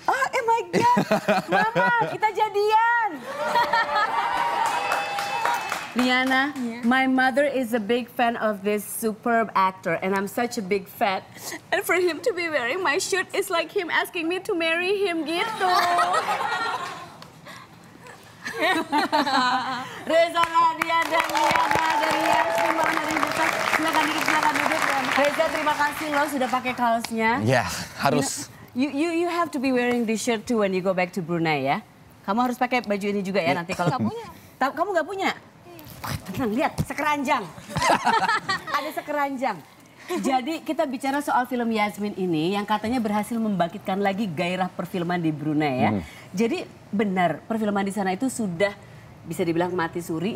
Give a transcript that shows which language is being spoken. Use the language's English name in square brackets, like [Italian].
[English] Oh my God, [Indonesian] Mama, kita jadian. [English] Liana, yeah. My mother is a big fan of this superb actor, and I'm such a big fan. And for him to be wearing my shirt is like him asking me to marry him, gitu. [Indonesian] Reza Radian dan Liana dari Yasmin Mama dari Jepang. Silakan duduk, silakan duduk. Reza, terima kasih lo sudah pakai kaosnya. Yeah, harus. [English] You have to be wearing this shirt too when you go back to Brunei ya. [Indonesian] Kamu harus pakai baju ini juga ya nanti kalau kamu punya. Kamu nggak punya? Tenang, lihat sekeranjang. Ada sekeranjang. Jadi kita bicara soal film Yasmin ini yang katanya berhasil membangkitkan lagi gairah perfilman di Brunei ya. Jadi benar, perfilman di sana itu sudah bisa dibilang mati suri.